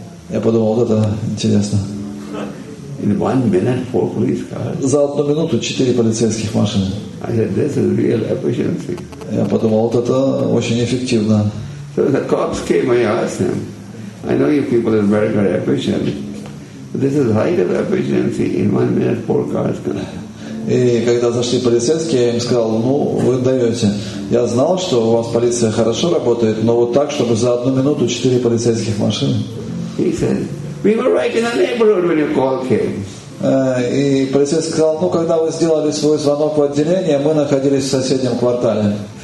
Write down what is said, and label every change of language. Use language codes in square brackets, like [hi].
[ru] Я подумал, вот это интересно. [en] In 1 minute, 4 police cars. [ru] За одну минуту 4 полицейских машины. [en] I said, this is real efficiency. [ru] Я подумал, вот это очень эффективно. [en] So the cops came, I asked him. I know you people are very, very efficient. But this is height of efficiency in 1 minute, 4 cars. [ru] И когда зашли полицейские, я им сказал, ну, вы даете. Я знал, что у вас полиция хорошо работает, но вот так, чтобы за одну минуту 4 полицейских машины. [en] He said, we were right in the neighborhood when your call came. [ru] И полицейский сказал, ну, когда вы сделали свой звонок в отделение, мы находились в соседнем квартале.